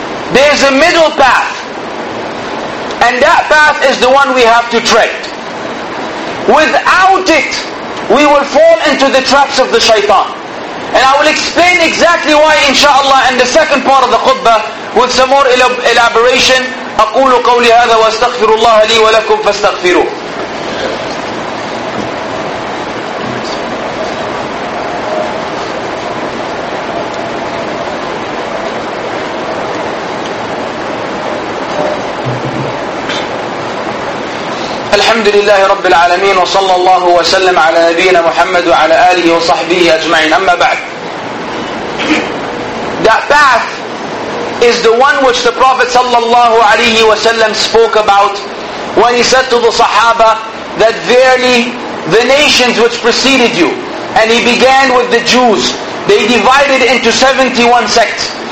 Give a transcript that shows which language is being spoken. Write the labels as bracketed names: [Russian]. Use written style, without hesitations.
[English] There is a middle path. And that path is the one we have to tread. Without it, we will fall into the traps of the shaitan. And I will explain exactly why inshaAllah in the second part of the khutbah with some more elaboration. [Arabic] أقول قولي هذا واستغفر الله لي ولكم فاستغفروا. الحمد لله رب العالمين وصلى الله وسلم على نبينا محمد وعلى آله وصحبه أجمعين. أما بعد, [English] that path is the one which the Prophet [Arabic] صلى الله عليه وسلم [English] spoke about when he said to the Sahaba that verily the nations which preceded you, and he began with the Jews, they divided into 71 sects.